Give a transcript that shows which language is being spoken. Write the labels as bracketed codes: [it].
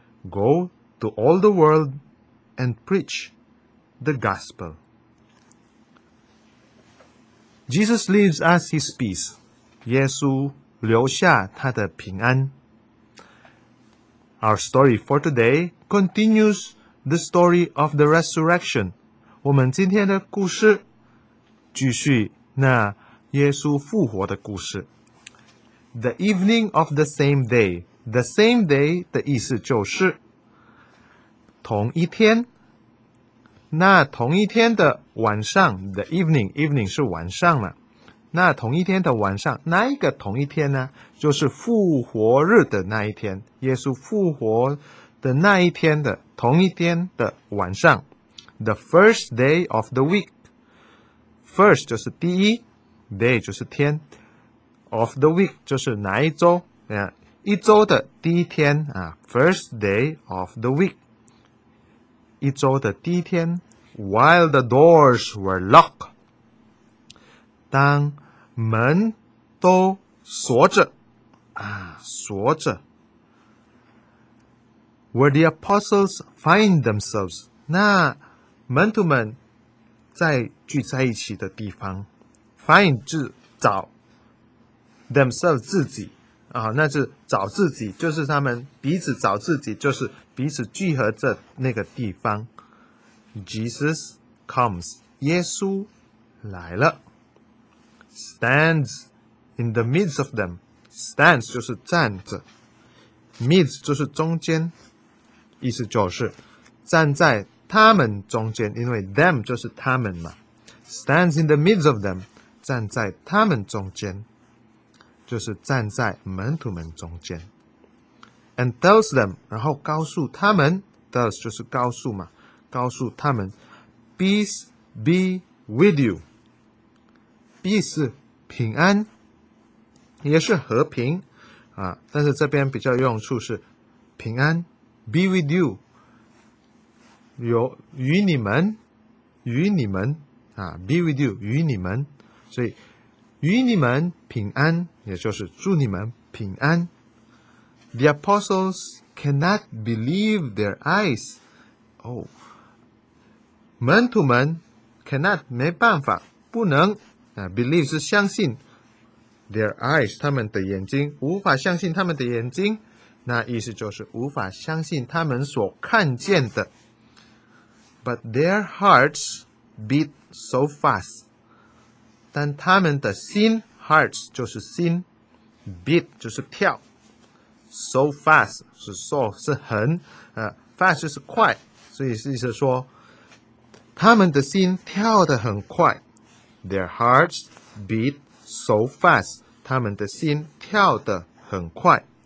[en] Go to all the world and preach the gospel. Jesus leaves us his peace. [zh] 耶稣留下他的平安。 [en] Our story for today continues. The story of the resurrection. [zh] 我们今天的故事继续那耶稣复活的故事。 [en] The evening of the same day. The same day [zh] 的意思就是同一天。那同一天的晚上 [en] The evening. Evening [zh] 是晚上了。那同一天的晚上哪一个同一天呢？就是复活日的那一天。耶稣复活的那一天的同一天的晚上 [en] The first day of the week [zh] First 就是第一 Day 就是天 [en] Of the week [zh] 就是哪一周一周的第一天 [en] First day of the week [zh] 一周的第一天 [en] While the doors were locked [zh] 当门都锁着锁着 [en] Where the apostles find themselves. [zh] 那门徒们在聚在一起的地方 find 是找 themselves 自己那是找自己就是他们彼此找自己就是彼此聚合在那个地方 [en] Jesus comes. [zh] 耶稣来了 [en] stands in the midst of them. [zh] stands 就是站着 midst 就是中间意思就是站在他们中间因为 them 就是他们嘛 [en] stands in the midst of them [zh] 站在他们中间就是站在门徒们中间 [en] and tells them [zh] 然后告诉他们 tells 就是告诉嘛告诉他们 [en] peace be with you [zh] peace 平安也是和平但是这边比较用处是平安 [en] Be with you, [zh] 与你们，与你们Be with you, 与你们，所以与你们平安，也就是祝你们平安。 [en] The apostles cannot believe their eyes. [zh] 门徒们 cannot 没办法，不能believe 是相信 [en] their eyes [zh] 他们的眼睛无法相信他们的眼睛。那意思就是无法相信他们所看见的 [en] But their hearts beat so fast [zh] 但他们的心 Hearts 就是心 Beat 就是跳 [en] So fast [zh] 是 so 是很Fast 就是快所以意思说他们的心跳得很快 [en] Their hearts beat so fast [zh] 他们的心跳得很快